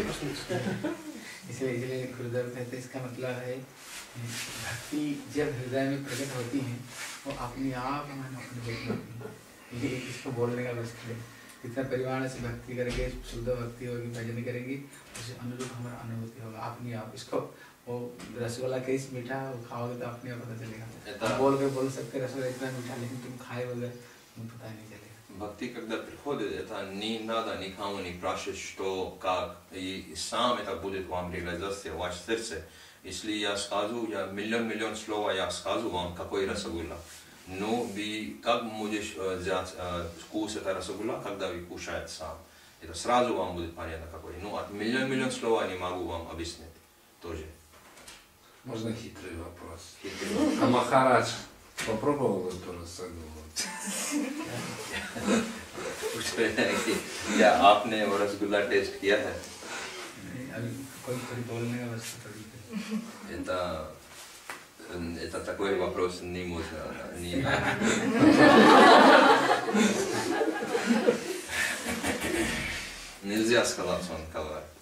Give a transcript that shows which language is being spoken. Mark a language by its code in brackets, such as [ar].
[hi] इसलिए गुरुदेव कहते हैं इसका मतलब है भक्ति जब हृदय में प्रकट होती है वो अपने आप मानो अपने बैठ जाती है ये इसको बोलने का बस के इतना परिवार से भक्ति करेंगे शुद्ध भक्ति होगी भजन करेंगे उसे अनुरूप हमारा अनुभूति होगा अपने आप इसको वो रसगुल्ला कहीं मीठा वो खाओगे तो अपने आप पता चलेगा बोल के बोल सकते रसगुल्ला इतना मीठा लेकिन तुम खाए बगैर तुम पता नहीं चलेगा [ru] Бхакти, когда приходит, это не надо никому не спрашивать, что, как, и сам это будет вам реализация, ваше сердце. Если я скажу, я миллион-миллион слов, я скажу вам, какой расогулла. Но вы, как можешь взять вкус этого расогулла, когда вы кушаете сам? Это сразу вам будет понятно, какой. Ну, от миллион-миллион слов не могу вам объяснить тоже. Можно хитрый вопрос? Хитрый вопрос. А Махарадж попробовал он тоже согулла? [hi] Я आपने वो रसगुल्ला टेस्ट किया है अभी कोई कोई बोलने का बस तो [ru] нельзя сказать он кавар